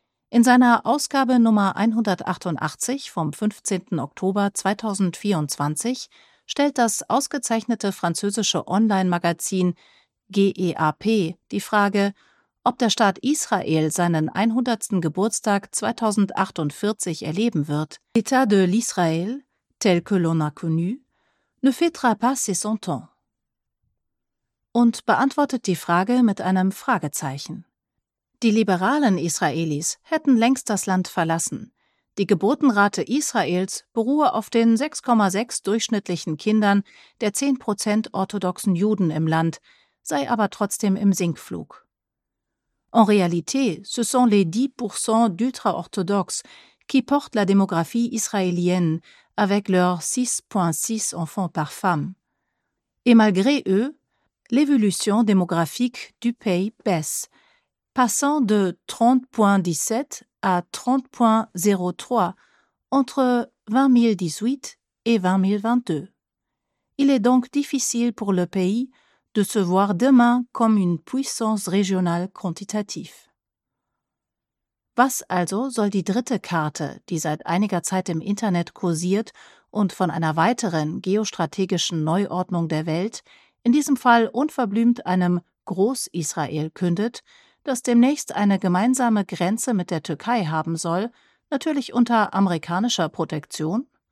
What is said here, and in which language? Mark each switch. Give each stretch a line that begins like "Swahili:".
German: In seiner Ausgabe Nummer 188 vom 15. Oktober 2024 stellt das ausgezeichnete französische Online-Magazin GEAP die Frage, ob der Staat Israel seinen 100. Geburtstag 2048 erleben wird.
French: L'État de l'Israël, tel que l'on a connu, ne fêtera pas ses 100 ans.
German: Und beantwortet die Frage mit einem Fragezeichen. Die liberalen Israelis hätten längst das Land verlassen. Die Geburtenrate Israels beruhe auf den 6,6 durchschnittlichen Kindern der 10% orthodoxen Juden im Land, sei aber trotzdem im Sinkflug.
French: En réalité, ce sont les 10% d'ultra-orthodoxes qui porte la démographie israélienne avec leurs 6,6 enfants par femme. Et malgré eux, l'évolution démographique du pays baisse, passant de 30,17 à 30,03 entre 2018 et 2022. Il est donc difficile pour le pays de se voir demain comme une puissance régionale quantitative.
German: Was also soll die dritte Karte, die seit einiger Zeit im Internet kursiert und von einer weiteren geostrategischen Neuordnung der Welt, in diesem Fall unverblümt einem Groß-Israel kündet, das demnächst eine gemeinsame Grenze mit der Türkei haben soll, natürlich unter amerikanischer Protektion?